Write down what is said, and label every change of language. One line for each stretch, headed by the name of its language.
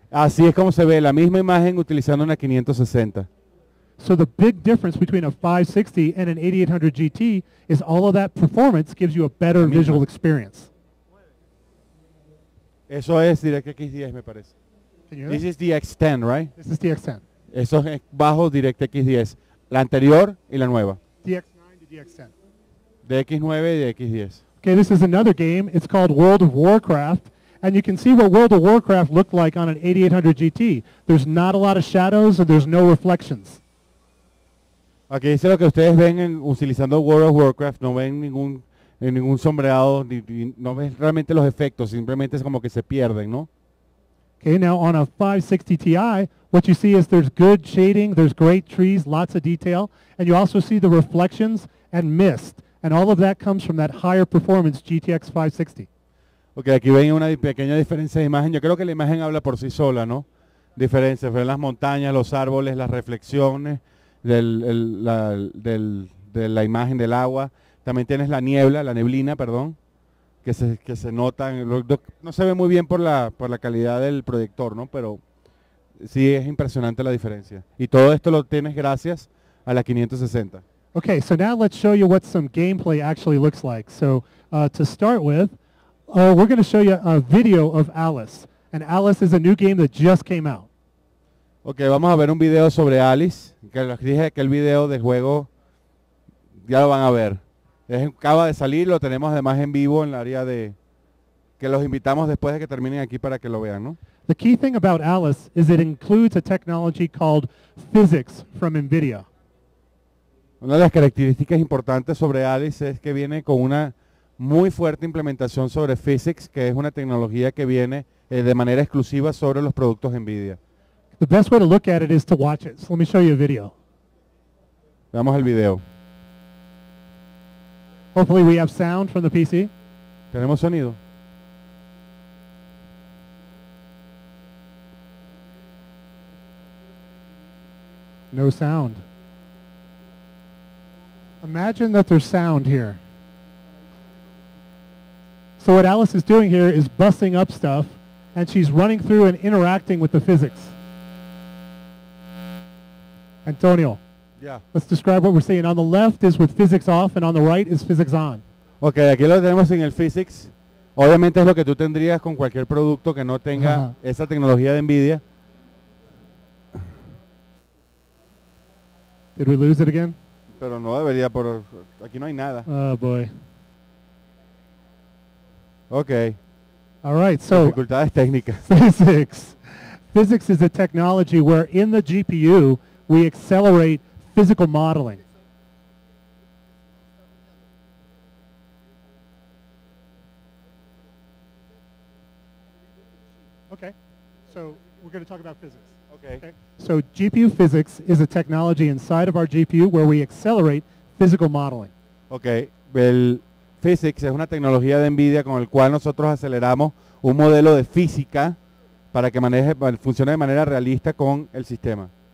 Spanish: Así es como se ve, la misma imagen utilizando una 560.
English: So the big difference between a 560 and an 8800 GT is all of that performance gives you a better visual experience.
Spanish: Eso es DirectX 10, me parece.
English: This is the X10, right? This is the X10.
Spanish: Eso es bajo DirectX 10, la anterior y la nueva.
English: The X9 y the X10.
Spanish: De X9 y de X10.
English: Ok, Okay, this is another game. It's called World of Warcraft. And you can see what World of Warcraft looked like on an 8800 GT. There's not a lot of shadows and there's no reflections.
Spanish: Aquí dice lo que ustedes ven en, utilizando World of Warcraft, no ven ningún, ningún sombreado, ni, no ven realmente los efectos, simplemente es como que se pierden, ¿no?
English: Okay, now on a 560 Ti, what you see is there's good shading, there's great trees, lots of detail, and you also see the reflections and mist, and all of that comes from that higher performance GTX 560.
Spanish: Okay, aquí ven una pequeña diferencia de imagen, yo creo que la imagen habla por sí sola, ¿no? Diferencias, ven las montañas, los árboles, las reflexiones, de la imagen del agua, también tienes la niebla, la neblina, perdón, que se nota, no se ve muy bien por la calidad del proyector, ¿no? Pero sí es impresionante la diferencia. Y todo esto lo tienes gracias a la 560.
English: Okay, so now let's show you what some gameplay actually looks like. So to start with, we're going to show you a video of Alice. And Alice is a new game that just came out.
Spanish: Okay, vamos a ver un video sobre Alice, que les dije que el video de juego ya lo van a ver. Acaba de salir, lo tenemos además en vivo en la área de que los invitamos después de que terminen aquí para que lo vean, ¿no?
English: The key thing about Alice is it includes a technology called physics from NVIDIA.
Spanish: Una de las características importantes sobre Alice es que viene con una muy fuerte implementación sobre physics, que es una tecnología que viene de manera exclusiva sobre los productos NVIDIA.
English: The best way to look at it is to watch it. So let me show you a video.
Spanish: Veamos el video.
English: Hopefully we have sound from the PC.
Spanish: Tenemos sonido.
English: No sound. Imagine that there's sound here. So what Alice is doing here is busting up stuff, and she's running through and interacting with the physics. Antonio, yeah. Let's describe what we're seeing. On the left is with physics off, and on the right is physics on.
Spanish: Okay, aquí lo tenemos en el physics. Obviamente es lo que tú tendrías con cualquier producto que no tenga esa tecnología de NVIDIA.
English: Did we lose it again?
Spanish: Pero no debería, por aquí no hay nada.
English: Oh, boy. Okay. All right, so...
Spanish: Dificultades técnicas.
English: Physics. Physics is a technology where in the GPU... we accelerate physical modeling. Okay, so we're going to talk about physics. Okay. So GPU physics is a technology inside of our GPU where we accelerate physical modeling.
Spanish: Okay, el physics es una tecnología de NVIDIA con el cual nosotros aceleramos un modelo de física para que maneje, funcione de manera realista con el sistema.